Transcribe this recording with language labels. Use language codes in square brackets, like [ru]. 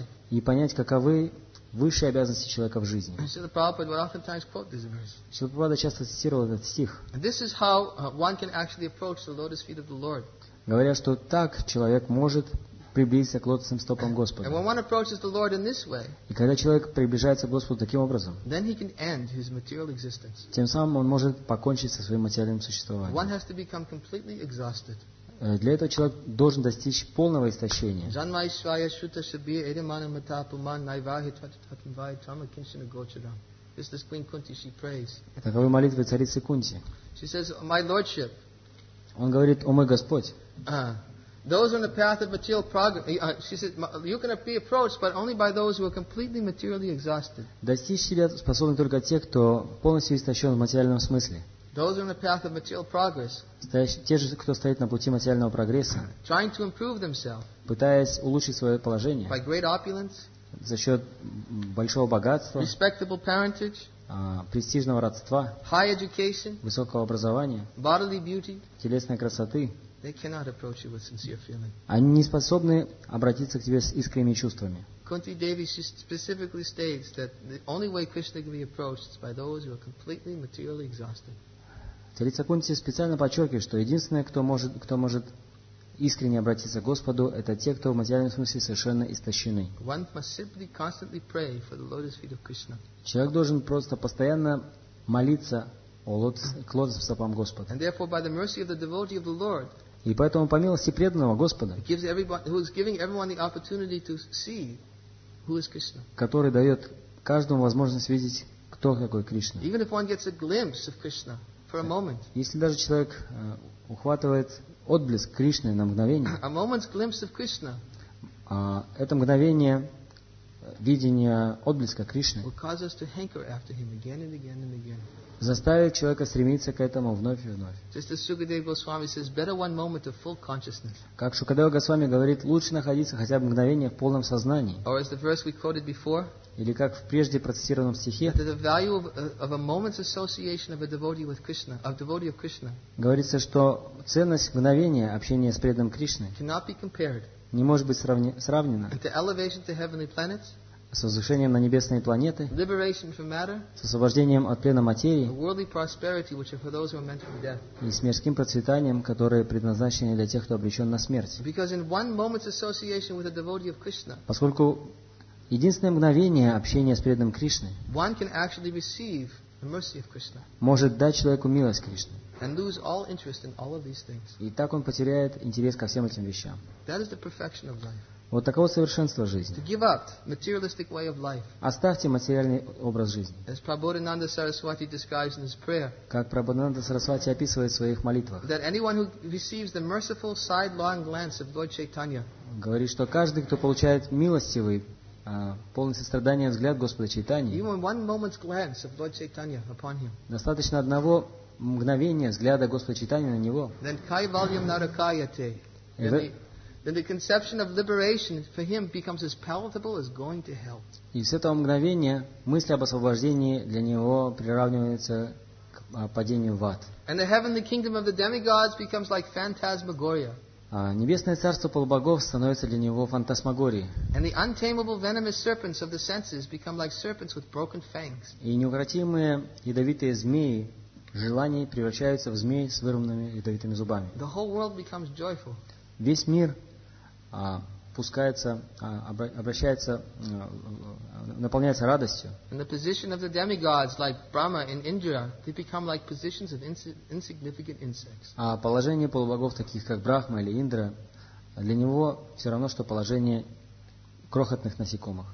[ru] и понять, каковы высшие обязанности человека в жизни. [en] Шрила Прабхупада would oftentimes quote this verse. [ru] Шрила Прабхупада часто цитировал этот стих. [en] This is how one can actually approach the lotus feet of the Lord. [ru] Говоря, что так человек может приблизиться к лотосным стопам Господа. [en] And when one approaches the Lord in this way, [ru] и когда человек приближается к Господу таким образом, [en] then he can end his material existence. [ru] Тем самым он может покончить со своим материальным существованием. [en] One has to become completely exhausted. [ru] для этого человек должен достичь полного истощения. Таковы молитвы царицы Кунти. [en] She says, my lordship. [ru] Он говорит, о мой Господь. [en] Those on the path of material progress, she says, you can be approached, but only by those who are completely materially exhausted. [ru] Достичь себя способны только те, кто полностью истощен в материальном смысле. [en] Those on the path of material progress. [ru] Те же, кто стоит на пути материального прогресса. [en] Trying to improve themselves. [ru] Пытаясь улучшить свое положение. [en] By great opulence. [ru] За счет большого богатства. [en] Respectable parentage. [ru] Престижного родства. [en] High education. [ru] Высокого образования. [en] Bodily beauty. [ru] Телесной красоты. [en] They cannot approach you with sincere feeling. [ru] Они не способны обратиться к тебе с искренними чувствами. [en] Kunti Devi specifically states that the only way Krishna can be approached is by those who are completely materially exhausted. [ru] Царица Кунти специально подчеркивает, что единственное, кто может искренне обратиться к Господу, это те, кто в материальном смысле совершенно истощены. [en] One must simply constantly pray for the lotus feet of Krishna. [ru] Человек должен просто постоянно молиться к лотосным стопам Господа. [en] And therefore, by the mercy of the devotee of the Lord, [ru] и поэтому по милости преданного Господа, который дает каждому возможность видеть, кто такой Кришна. [en] Even if one gets a glimpse of Krishna for a moment, [ru] если даже человек ухватывает отблеск Кришны на мгновение, [en] a moment's glimpse of Krishna, [ru] это мгновение видения отблеска Кришны [en] will cause us to hanker after him again and again and again. [ru] Заставит человека стремиться к этому вновь и вновь. [en] Just as Sukadeva Goswami says, better one moment of full consciousness. [ru] Как Шукадева Госвами говорит, лучше находиться хотя бы мгновение в полном сознании. [en] Or as the verse we quoted before, [ru] или как в прежде процитированном стихе, [en] that the value of a moment's association of a devotee with Krishna, of devotee of Krishna, [ru] говорится, что ценность мгновения общения с преданным Кришной [en] cannot be compared, [ru] не может быть сравнена [en] to elevation to heavenly planets, [ru] с возвышением на небесные планеты, [en] matter, [ru] с освобождением от плена материи [en] worldly prosperity, which are for those who are meant for death, [ru] и с мирским процветанием, которое предназначено для тех, кто обречен на смерть. [en] Because in one moment's association with a devotee of Krishna, [ru] поскольку единственное мгновение общения с преданным Кришной [en] one can actually receive the mercy of Krishna, [ru] может дать человеку милость Кришны. [en] And lose all interest in all of these things. [ru] И так он потеряет интерес ко всем этим вещам. [en] That is the perfection of life. [ru] Вот таково совершенство жизни. [en] To give up materialistic way of life. [ru] Оставьте материальный образ жизни. [en] As Prabodhananda Saraswati describes in his prayer. [ru] Как Прабхунанда Сарасвати описывает в своих молитвах. [en] That anyone who receives the merciful sidelong glance of Lord Chaitanya. [ru] Говорит, что каждый, кто получает милостивый, полный сострадания взгляд Господа Чайтаньи. [en] Even one moment's glance of Lord Chaitanya upon him. [ru] Достаточно одного мгновение взгляда Господа Чайтаньи на него. [sa] Then kaivalyam narakayate. [en] Then the conception of liberation for him becomes as palatable as going to hell. [ru] И с этого мгновения мысль об освобождении для него приравнивается к падению в ад. [en] And the heavenly kingdom of the demigods becomes like phantasmagoria. [ru] Небесное царство полубогов становится для него фантасмагорией. [en] And the untamable venomous serpents of the senses become like serpents with broken fangs. [ru] И неукротимые ядовитые змеи желаний превращаются в змей с вырванными ядовитыми зубами. [en] The whole world becomes joyful. [ru] Весь мир наполняется радостью. [en] And the position of the demigods, like Brahma and Indra, they become like positions of insignificant insects. [ru] А положение полубогов, таких как Брахма или Индра, для него все равно, что положение крохотных насекомых.